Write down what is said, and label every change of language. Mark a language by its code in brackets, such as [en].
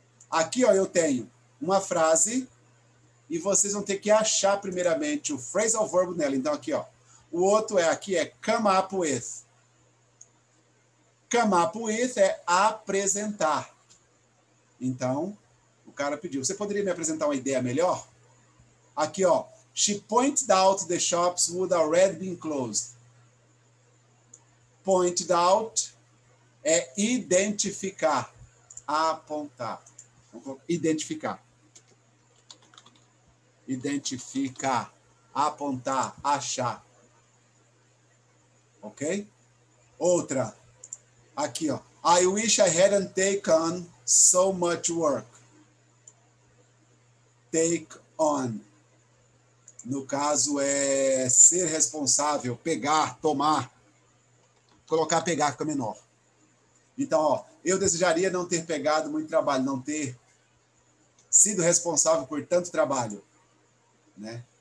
[pt] Aqui ó, eu tenho uma frase e vocês vão ter que achar primeiramente o phrasal verb nela. Então aqui ó. O outro é aqui, é come up with. Come up with é apresentar. Então, o cara pediu, você poderia me apresentar uma ideia melhor? Aqui, ó. [en] She pointed out the shops would already been closed. [pt] Pointed out é identificar. Apontar. Identificar. Identificar. Apontar. Achar. Ok? Outra. Aqui, ó. [en] I wish I hadn't taken so much work. Take on. [pt] No caso, é ser responsável, pegar, tomar. Colocar pegar fica menor. Então, ó. Eu desejaria não ter pegado muito trabalho, não ter sido responsável por tanto trabalho. Né?